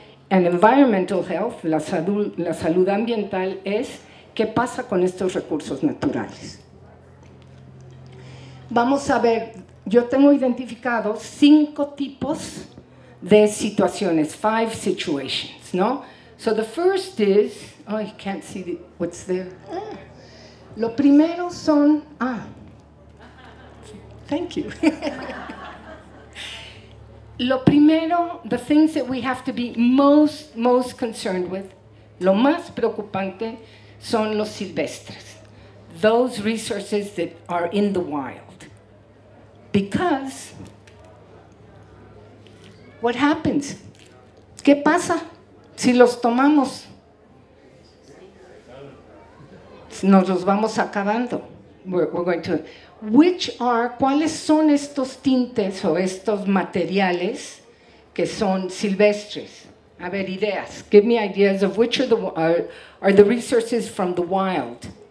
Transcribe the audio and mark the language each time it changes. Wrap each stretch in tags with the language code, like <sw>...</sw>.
<en>And environmental health,</en> <es>la salud ambiental, es qué pasa con estos recursos naturales. Vamos a ver, yo tengo identificado 5 tipos de situaciones,</es> <en>5 situations,</en> <es>¿no?</es> <en>So the first is, oh, I can't see the, what's there.</en> <es>Lo primero son, ah,</es> <en>thank you.</en> <es>Lo primero,</es> <en>the things that we have to be most concerned with,</en> <es>lo más preocupante son los silvestres,</es> <en>those resources that are in the wild. Because, what happens?</en> <es>¿Qué pasa si los tomamos? Nos los vamos acabando.</es> <en>We're going to.</en> <es>¿Cuáles son estos tintes o estos materiales que son silvestres? A ver, ideas.</es> <en>Give me ideas of which are the resources from the wild.</en>